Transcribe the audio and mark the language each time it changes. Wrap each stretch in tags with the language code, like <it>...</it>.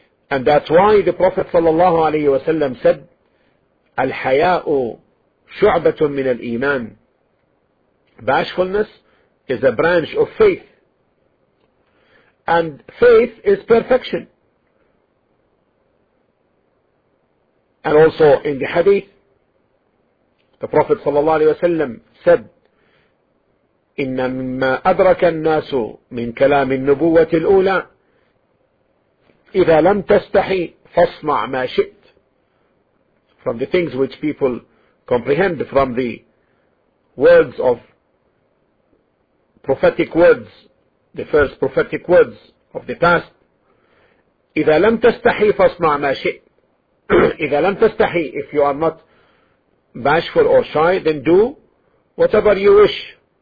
<en>And that's why the Prophet sallallahu alayhi wa sallam said,</en> <ar>Al-haya'u shu'batun min al-iman.</ar> <en>Bashfulness is a branch of faith. And faith is perfection. And also in the hadith, the Prophet sallallahu alayhi wa sallam said,</en> <ar>إِنَّ مِمَّا أَدْرَكَ النَّاسُ مِنْ كَلَامِ النُّبُوَّةِ الْأُولَى إِذَا لَمْ تَسْتَحِي فَاصْنَعْ مَا شِئْتْ.</ar> <en>From the things which people comprehend from the words of prophetic words, the first prophetic words of the past.</en> <ar>إِذَا لَمْ تَسْتَحِي فَاصْنَعْ مَا شِئْتْ. إِذَا لَمْ تَسْتَحِي,</ar> <en>if you are not bashful or shy, then do whatever you wish.</en>